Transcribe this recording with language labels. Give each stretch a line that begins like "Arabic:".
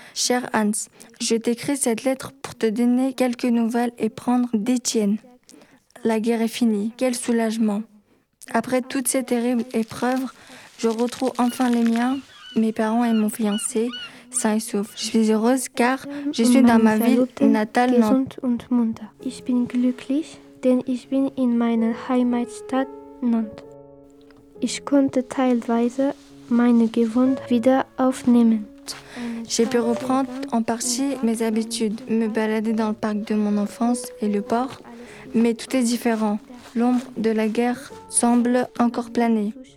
French: Cher Hans, je t'écris cette lettre pour te donner quelques nouvelles et prendre des tiennes. La guerre est finie. Quel soulagement. Après toutes ces terribles épreuves, je retrouve enfin les miens, mes parents et mon fiancé, sains et saufs. Je suis heureuse car je suis dans ma ville natale Nantes.
German: Ich bin glücklich, denn ich bin in meiner Heimatstadt Nantes. Ich konnte teilweise meine Gewohnheit wieder aufnehmen.
French: J'ai pu reprendre en partie mes habitudes, me balader dans le parc de mon enfance et le port, mais tout est différent. L'ombre de la guerre semble encore planer.